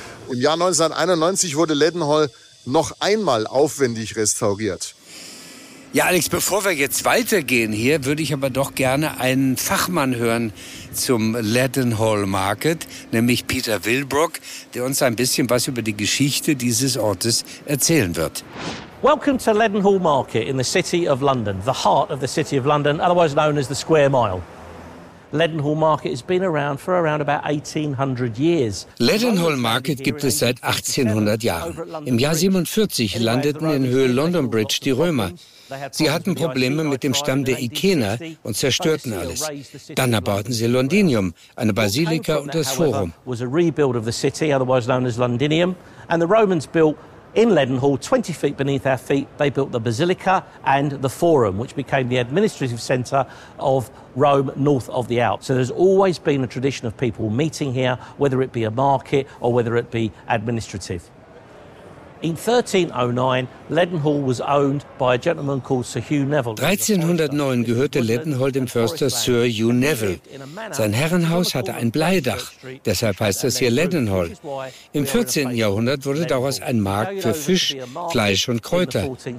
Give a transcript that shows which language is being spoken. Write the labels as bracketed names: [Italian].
[German] Im Jahr 1991 wurde Leadenhall noch einmal aufwendig restauriert. Ja, Alex, bevor wir jetzt weitergehen hier, würde ich aber doch gerne einen Fachmann hören zum Leadenhall Market, nämlich Peter Wilbrock, der uns ein bisschen was über die Geschichte dieses Ortes erzählen wird. [English] Welcome to Leadenhall Market in the City of London, the heart of the City of London, otherwise known as the Square Mile. Leadenhall Market has been around for around about 1800 years. [German] Leadenhall Market gibt es seit 1800 Jahren. Im Jahr 47 landeten in Höhe London Bridge die Römer. Sie hatten Probleme mit dem Stamm der Ikener und zerstörten alles. Dann erbauten sie Londinium, eine Basilika und das Forum. [English] Was a rebuild of the city, otherwise known as Londinium, and the Romans built in Leadenhall 20 feet beneath our feet, they built the Basilica and the Forum, which became the administrative center of Rome north of the Alps. So there's always been a tradition of people meeting here, whether it be a market or whether it be administrative. In 1309, Leadenhall was owned by a gentleman called Sir Hugh Neville. [German] 1309 gehörte Leadenhall dem Förster Sir Hugh Neville. Sein Herrenhaus hatte ein Bleidach, deshalb heißt das hier Leadenhall. Im 14. Jahrhundert wurde daraus ein Markt für Fisch, Fleisch und Kräuter.